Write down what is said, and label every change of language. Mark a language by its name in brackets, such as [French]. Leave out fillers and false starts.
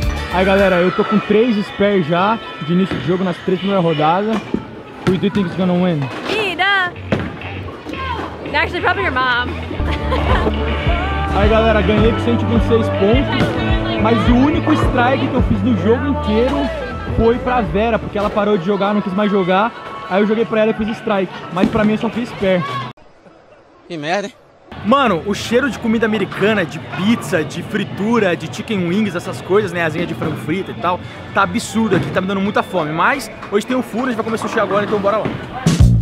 [Portuguese] Aí galera, eu tô com 3 spares já de início de jogo nas 3 primeiras rodadas. [English] Who do you think is gonna win? Me, duh! No. Actually, probably your mom. [Portuguese] Aí galera, ganhei com 126 pontos. Mas o único strike que eu fiz no jogo inteiro foi pra Vera, porque ela parou de jogar, não quis mais jogar. Aí eu joguei pra ela e fiz strike. Mas pra mim eu só fiz spare. Que merda, hein? Mano, o cheiro de comida americana, de pizza, de fritura, de chicken wings, essas coisas, né, asinha de frango frita e tal, tá absurdo aqui, tá me dando muita fome. Mas hoje tem um furo, a gente vai comer sushi agora, então bora lá.